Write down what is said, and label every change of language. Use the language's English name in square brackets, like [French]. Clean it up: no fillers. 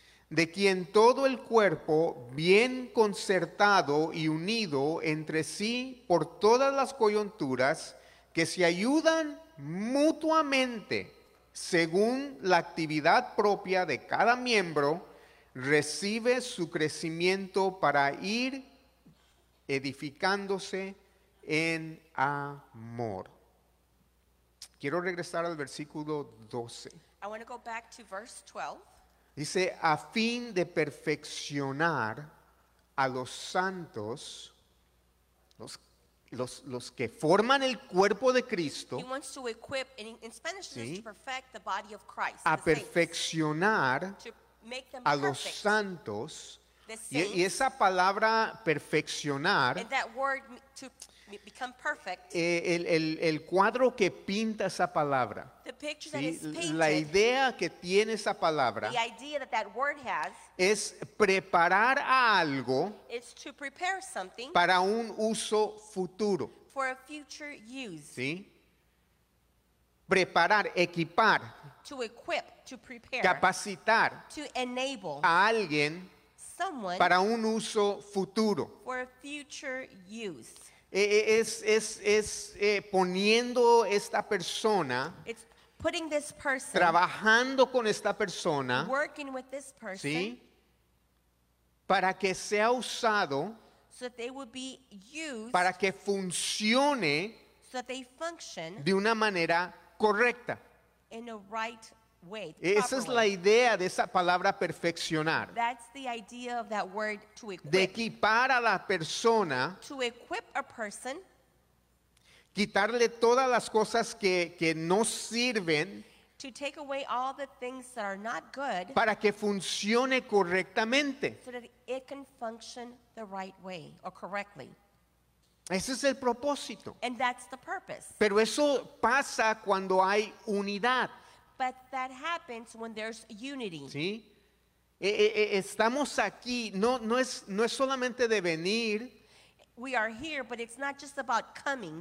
[Spanish] de quien todo el cuerpo bien concertado y unido entre sí por todas las coyunturas que se ayudan mutuamente según la actividad propia de cada miembro, recibe su crecimiento para ir edificándose en amor. Quiero regresar al versículo 12. [English] I want to go back to verse 12. [Spanish] Dice, a fin de perfeccionar a los santos, los que forman el cuerpo de Cristo. [English] He wants to equip, in Spanish, [Spanish] ¿sí? [English] To perfect the body of Christ. [Spanish] A perfeccionar [English] a perfect. [Spanish] Los santos. [English] The saints, [Spanish] y esa palabra perfeccionar. [English] And that word to become perfect, [Spanish] el cuadro que pinta esa palabra, [English] the picture, [Spanish] ¿sí? [English] That is painted, [Spanish] la idea que tiene esa palabra, [English] the idea that that word has, [Spanish] es preparar a algo, [English] it's to prepare something, [Spanish] para un uso futuro, [English] for a future use, [Spanish] ¿sí? Preparar, equipar, [English] to equip, to prepare, [Spanish] capacitar, [English] to enable, [Spanish] a alguien, [English] someone, [Spanish] para un uso futuro, [English] for a future use. [Spanish] Es poniendo esta persona, [English] it's putting this person, [Spanish] trabajando con esta persona, [English] working with this person, [Spanish] ¿sí? Para que sea usado, [English] so that they would be used, [Spanish] para que funcione, [English] so so that they function [Spanish] de una manera correcta. [English] In a right way, [Spanish] esa es la idea de esa palabra perfeccionar. [English] That's the idea of that word to equip. [Spanish] De equipar a la persona. [English] To equip a person. [Spanish] Quitarle todas las cosas que no sirven. [English] To take away all the things that are not good. [Spanish] Para que funcione correctamente. [English] So that it can function the right way or correctly. [Spanish] Ese es el propósito. [English] And that's the purpose. [Spanish] Pero eso pasa cuando hay unidad. [English] But that happens when there's unity. [Spanish] ¿Sí? Estamos aquí, no es solamente de venir. [English] We are here, but it's not just about coming.